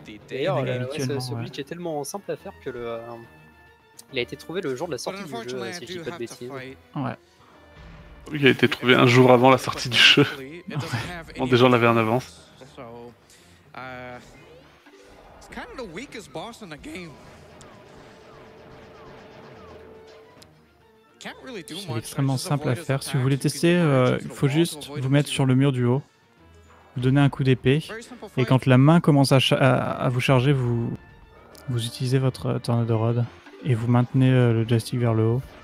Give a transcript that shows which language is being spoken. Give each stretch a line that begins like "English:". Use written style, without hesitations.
French: D'ailleurs, ce glitch est tellement simple à faire que il a été trouvé le jour de la sortie du jeu, si je dis pas de bêtises. Ouais. Oui, il a été trouvé un jour avant la sortie du jeu. Bon, déjà on l'avait en avance. C'est
English: kind of the weakest boss in the game.
French: C'est extrêmement simple à faire. Si vous voulez tester, il faut juste vous mettre sur le mur du haut, vous donner un coup d'épée, et quand la main commence à vous charger, vous utilisez votre Tornado Rod et vous maintenez le joystick vers le haut.